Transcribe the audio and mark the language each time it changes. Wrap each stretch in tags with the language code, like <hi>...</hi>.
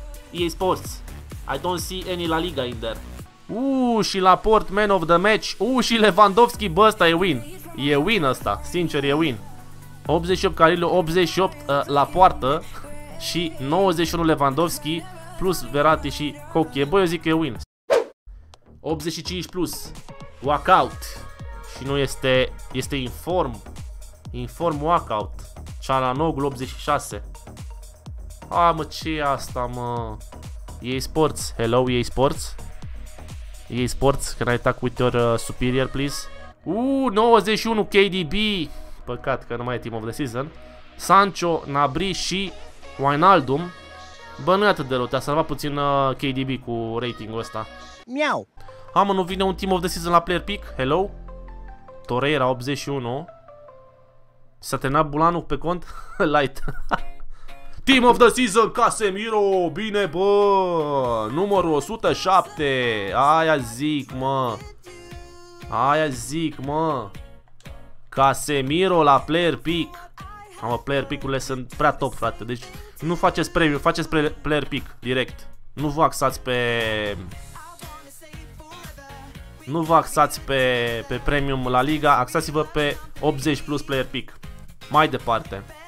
<en>EA Sports, I don't see any La Liga in there.</en> <ro>Și Laporte, man of the match. Și Lewandowski, bă, ăsta e win. E win ăsta, sincer, e win. 88 Carillo, 88 Laporte și 91 Lewandowski plus Verratti și Koke. Bă, eu zic că e win. 85 plus, walkout. Și nu este, este inform. Inform walkout. Calhanoglu, 86. A, mă, ce-i asta, mă? EA Sports.</ro> <en>Hello, EA Sports. EA Sports, can I talk with your superior, please?</en> <ro>91 KDB. Păcat că nu mai e Team of the Season. Sancho, Nabri și Wijnaldum. Bă, nu e atât de rău. Te-a salvat puțin KDB cu ratingul ăsta. Miau. Mă, nu vine un Team of the Season la player pick?</ro> <en>Hello?</en> <ro>Torreira 81. S-a terminat bulanul pe cont? Light. Team of the Season, Casemiro! Bine, bă! Numărul 107! Aia zic, mă! Aia zic, mă! Casemiro la player pick! Mamă, player pick-urile sunt prea top, frate. Deci, nu faceți premiu, faceți player pick, direct. Nu vă axați pe... Nu vă axați pe premium la Liga, axați-vă pe 80 plus player pick. Mai departe.</ro>